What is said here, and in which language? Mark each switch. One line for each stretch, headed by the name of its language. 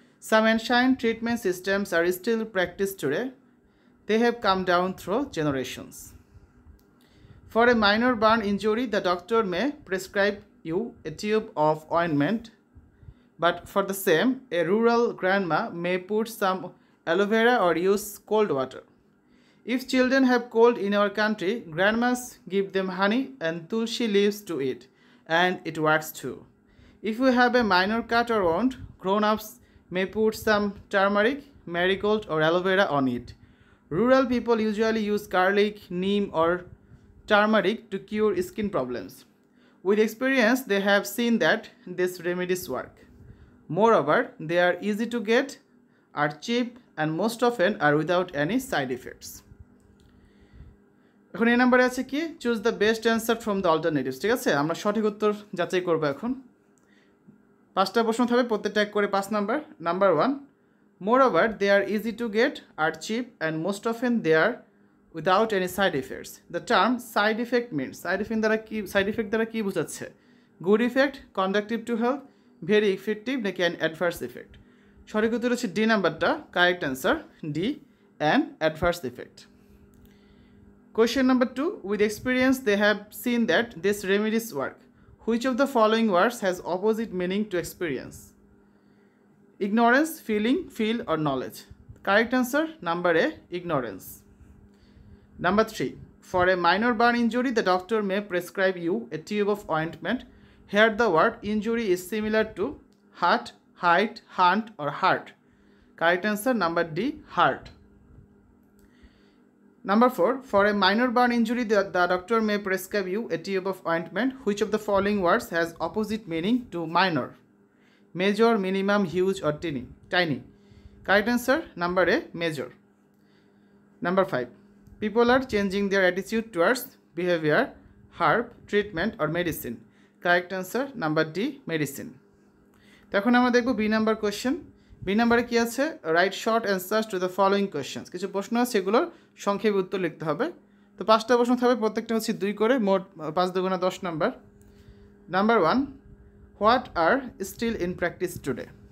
English: Some ancient treatment systems are still practice today, they have come down through generations. For a minor burn injury the doctor may prescribe you a tube of ointment, but for the same a rural grandma may put some aloe vera or use cold water. If children have cold in our country, grandmas give them honey and tulsi leaves to eat, and it works too. If you have a minor cut or wound, grown-ups may put some turmeric, marigold or aloe vera on it. Rural people usually use garlic, neem or turmeric to cure skin problems. With experience, they have seen that these remedies work. Moreover, they are easy to get, are cheap, and most often are without any side effects.
Bangla: এখন এ নাম্বারে আছে কি,
English: Choose the best answer from the alternatives.
Bangla: ঠিক আছে, আমরা সঠিক উত্তর যাচাই করবো। এখন 5টা প্রশ্ন থাকবে, প্রত্যেকটা এক করে 5 number.
English: Number 1, moreover they are easy to get, are cheap, and most of them they are without any side effects. The term side effect means, side effect দ্বারা কি,
Bangla: সাইড ইফেক্ট দ্বারা কি বোঝাচ্ছে?
English: good effect, conductive to health, very effective,
Bangla: নাকি
English: An adverse effect?
Bangla: সঠিক উত্তর হচ্ছে D নাম্বারটা,
English: Correct answer D, an adverse effect. Question number 2, with experience they have seen that this remedies work. Which of the following words has opposite meaning to experience? Ignorance, feeling, feel or knowledge? Correct answer number A, ignorance. Number 3, for a minor burn injury the doctor may prescribe you a tube of ointment. Here the word injury is similar to hurt, height, hunt or heart. Correct answer number D, heart. Number 4, for a minor burn injury the doctor may prescribe you a tube of ointment. Which of the following words has opposite meaning to minor? Major, minimum, huge or tiny? Correct answer number A, major. Number 5, people are changing their attitude towards behavior, herb, treatment or medicine. Correct answer number D, medicine.
Bangla: তো এখন আমরা দেখব B number question. B নাম্বারে কী আছে,
English: Write short answers to the following questions.
Bangla: কিছু প্রশ্ন আছে, সেগুলোর সংক্ষেপে উত্তর লিখতে হবে। তো 5টা প্রশ্ন থাকবে, প্রত্যেকটা হচ্ছে 2 করে, মোট 5 দুগুণা 10 number.
English: Number 1, what are still in practice today?